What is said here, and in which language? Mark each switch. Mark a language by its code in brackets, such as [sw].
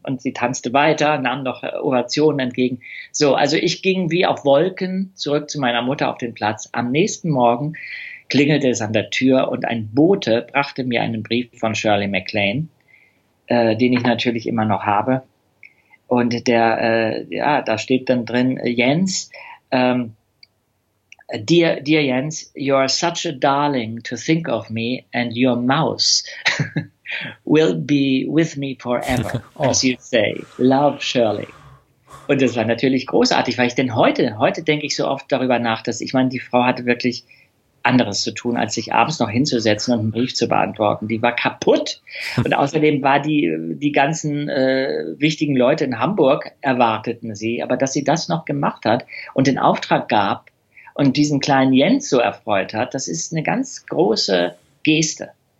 [de] Und sie tanzte weiter, nahm noch Ovationen entgegen. So, also ich ging wie auf Wolken zurück zu meiner Mutter auf den Platz. Am nächsten Morgen klingelte es an der Tür und ein Bote brachte mir einen Brief von Shirley MacLaine, den ich natürlich immer noch habe. Und der, da steht dann drin, Jens, [en] Dear Jens, you are such a darling to think of me, and your mouse will be with me forever, as you say. Love, Shirley. [de] Und das war natürlich großartig, weil ich denn heute denke ich so oft darüber nach, dass ich meine, die Frau hatte wirklich anderes zu tun, als sich abends noch hinzusetzen und einen Brief zu beantworten. Die war kaputt. Und außerdem war die ganzen wichtigen Leute in Hamburg erwarteten sie, aber dass sie das noch gemacht hat und den Auftrag gab, und diesen kleinen Jens so erfreut hat, das ist eine ganz große Geste.